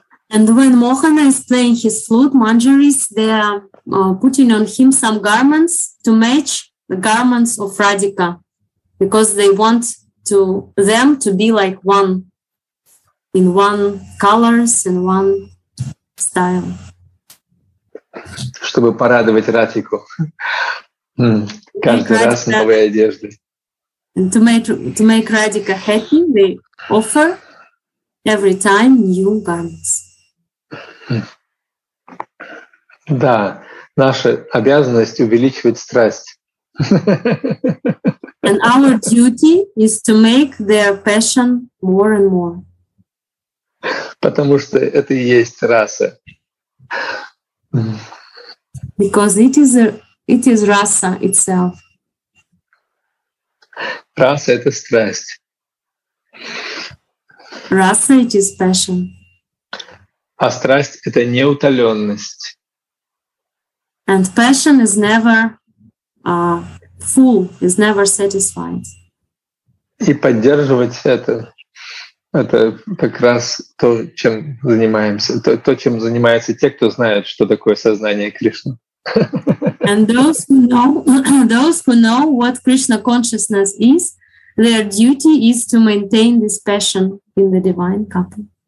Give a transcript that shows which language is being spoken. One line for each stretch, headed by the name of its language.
English: And when Mohana is playing his flute, Manjaris, they are putting on him some garments to match the garments of Radhika, because they want to them to be like one, in one colors, in one style.
Russian: Чтобы порадовать Радхику каждый раз новые одежды.
English: To make Radhika happy, they offer every time new garments.
Russian: Да, наша обязанность увеличивать страсть.
English: And our duty is to make their passion more and more.
Russian: Потому что это и есть раса.
English: Because it is rasa itself.
Russian: Раса — это страсть.
English: Rasa, it is passion.
Russian: А страсть — это неутоленность.
English: And passion is never full, is never satisfied.
Russian: И поддерживать это как раз то, чем занимаемся, то чем занимаются те, кто знает, что такое сознание Кришны.
English: And those who know what Krishna consciousness is, their duty is to maintain this passion in the divine couple.